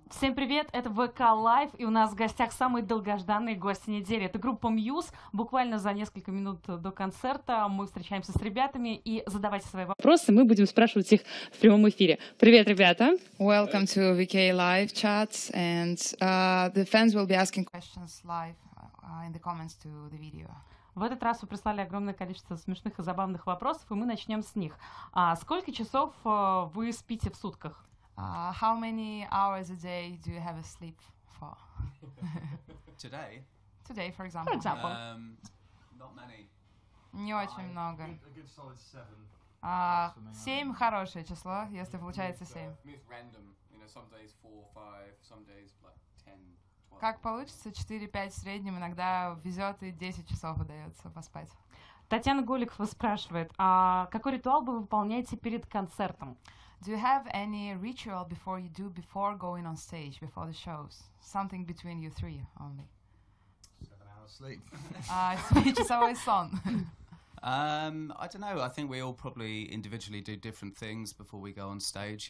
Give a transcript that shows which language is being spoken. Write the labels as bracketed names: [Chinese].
[Russian] Всем привет, это ВК Лайв, и у нас в гостях самые долгожданные гости недели. Это группа Muse. Буквально за несколько минут до концерта мы встречаемся с ребятами, и задавайте свои вопросы, мы будем спрашивать их в прямом эфире. Привет, ребята! [English] Welcome to VK Live chat, and the fans will be asking questions live in the comments to the video. [Russian] В этот раз вы прислали огромное количество смешных и забавных вопросов, и мы начнем с них. Сколько часов вы спите в сутках? [English] How many hours a day do you have a sleep for? Today? Today, for example. Not many. [Russian] Не очень много. [English] A good solid seven. [Russian] Семь хорошее число, если получается семь. [English] It's random. You know, some days four, five, some days like 10, 12. [Russian] Как получится, 4-5 в среднем, иногда везет и 10 часов удается поспать. Татьяна Голикова спрашивает, какой ритуал вы выполняете перед концертом? [English] Do you have any ritual before you do, before going on stage, before the shows? Something between you three only. 7 hours sleep. Speech is always son. I don't know. I think we all probably individually do different things before we go on stage.